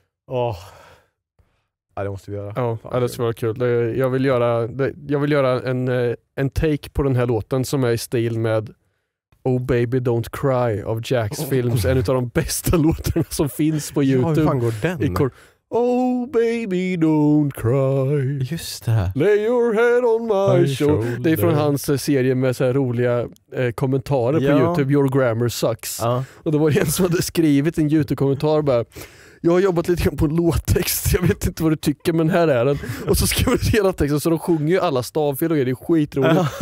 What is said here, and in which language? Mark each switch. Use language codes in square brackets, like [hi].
[sv] Åh. Oh. Ja, det måste vi göra. Ja, fan, det ska vara kul. Jag vill göra en take på den här låten som är i stil med Oh Baby Don't Cry av Jack's Films. En av de bästa låtarna som finns på YouTube. Ja, hur fan går den? [en] Oh baby don't cry. [sv] Just det. [en] Lay your head on my shoulder. [sv] Det är från hans serie med så här roliga kommentarer på YouTube. [en] Your grammar sucks. [sv] Och det var en som hade skrivit en YouTube-kommentar bara, jag har jobbat lite grann på en låttext. Jag vet inte vad du tycker, men här är den. Och så skriver du hela texten, så de sjunger ju alla stavfel och det är skitroligt.